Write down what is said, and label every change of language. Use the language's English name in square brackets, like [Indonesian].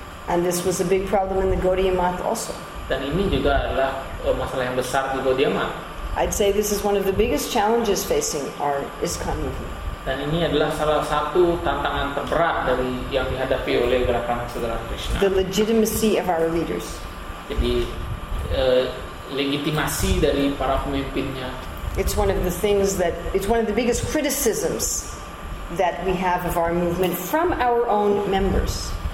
[English] And this was a big problem in the Gaudiya Math also. [Indonesian] Dan ini juga adalah masalah yang besar di Gaudiya Math. [English] I'd say this is one of the biggest challenges facing our ISKCON movement. [Indonesian] Dan ini adalah salah satu tantangan terberat dari yang dihadapi oleh gerakan kesadaran Krishna. [English] The legitimacy of our leaders. [Indonesian] Jadi legitimasi dari para pemimpinnya. [English] It's one of the biggest criticisms that we have of our movement from our own members.